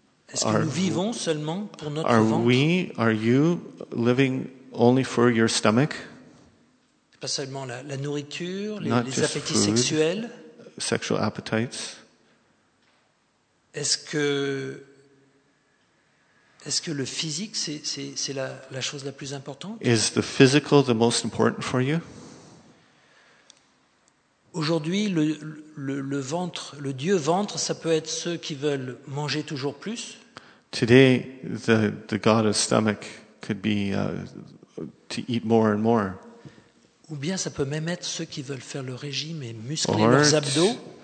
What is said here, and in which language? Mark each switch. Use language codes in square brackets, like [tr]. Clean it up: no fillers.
[fr] Est-ce que nous vivons seulement pour notre ventre? [en] Are you living only for your stomach? [fr] Pas seulement la nourriture, les appétits sexuels. [en] Sexual appetites. [fr] Est-ce que le physique c'est la chose la plus importante? [en] Is the physical the most important for you? [fr] Aujourd'hui, le ventre, le dieu ventre, ça peut être ceux qui veulent manger toujours plus. [en] Today, the god of stomach could be to eat more and more. [fr] Ou bien ça peut même être ceux qui veulent faire le régime et muscler leurs abdos.